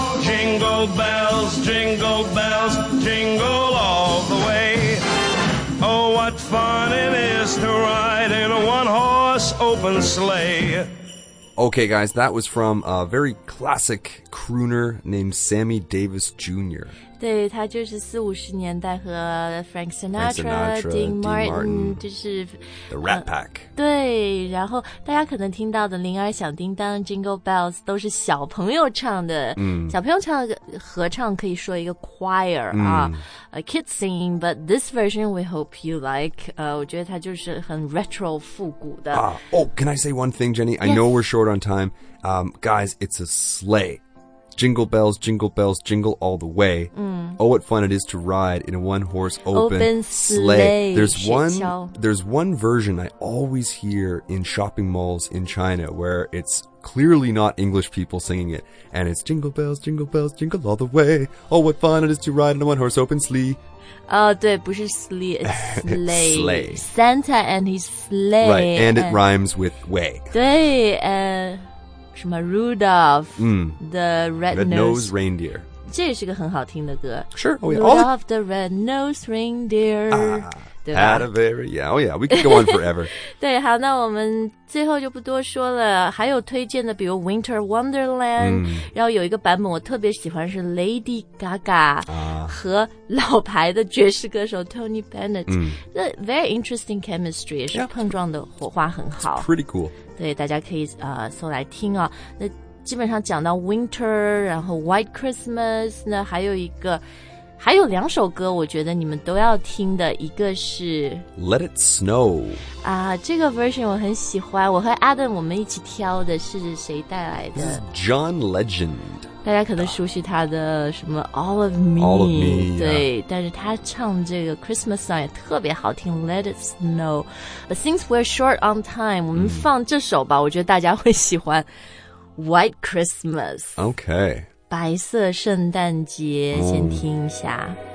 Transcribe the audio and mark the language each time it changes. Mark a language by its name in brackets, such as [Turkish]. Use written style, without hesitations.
[English] Jingle bells, jingle bells, jingle all the way. Oh, what fun it is to ride in a one-horse open sleigh. Okay, guys, that was from a very classic crooner named Sammy Davis Jr. [Chinese] 对，他就是四五十年代和 Frank Sinatra, [English] Dean Martin, [Chinese] 就是 [English] The Rat Pack. [Chinese] 对，然后大家可能听到的铃儿响叮当 Jingle Bells 都是小朋友唱的。小朋友唱合唱可以说一个 [English] choir, a kid singing, but this version we hope you like. [Chinese] 我觉得它就是很 retro 复古的。 [English] Can I say one thing, Jenny? I know we're short on time. Guys, it's a sleigh. Jingle bells, jingle bells, jingle all the way. Oh, what fun it is to ride in a one-horse open sleigh. There's one version I always hear in shopping malls in China where it's clearly not English people singing it. And it's jingle bells, jingle bells, jingle all the way. Oh, what fun it is to ride in a one-horse open sleigh. [Chinese] 对，不是 [English] sleigh, it's sleigh. Santa and his sleigh. Right, and it rhymes with way. [Chinese] 对，什么 Rudolph, the [English] Red-Nosed Reindeer. [Chinese] 这也是个很好听的歌。 [English] Sure. Rudolph, the Red-Nosed Reindeer. We could go on forever. [Chinese] 对，好，那我们最后就不多说了。还有推荐的，比如 Winter Wonderland, 然后有一个版本我特别喜欢是 Lady Gaga, 和老牌的爵士歌手 Tony Bennett. [English] Very interesting chemistry, [Chinese] 是碰撞的火花很好。 [English] Pretty cool. [Chinese] 对，大家可以搜来听哦。那基本上讲到 winter, 然后 white Christmas, 那还有两首歌我觉得你们都要听的，一个是 [English] Let It Snow. [Chinese] 啊，这个 version 我很喜欢，我和 Adam 我们一起挑的，是谁带来的？ [English] John Legend. [Chinese] 大家可能熟悉他的什么 All of Me. [English] All of Me. [Chinese] 对，但是他唱这个 Christmas song 也特别好听， Let It Snow. [English] But since we're short on time, [Chinese] 我们放这首吧，我觉得大家会喜欢 White Christmas. [English] Okay. [Chinese] 白色圣诞节，先听一下。